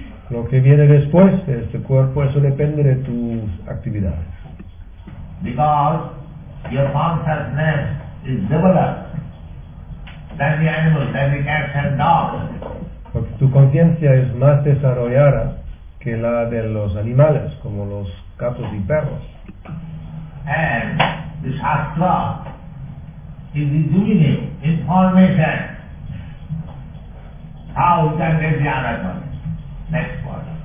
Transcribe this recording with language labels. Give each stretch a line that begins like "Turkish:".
Spanish: Lo que viene después de este cuerpo, eso depende de tus actividades.
English: Your consciousness is developed than the animals, than the cats and dogs.
Spanish: Porque tu conciencia es más desarrollada que la de los animales, como los gatos y perros.
English: And the shastra is the divine information. How we can get the other one? Next one.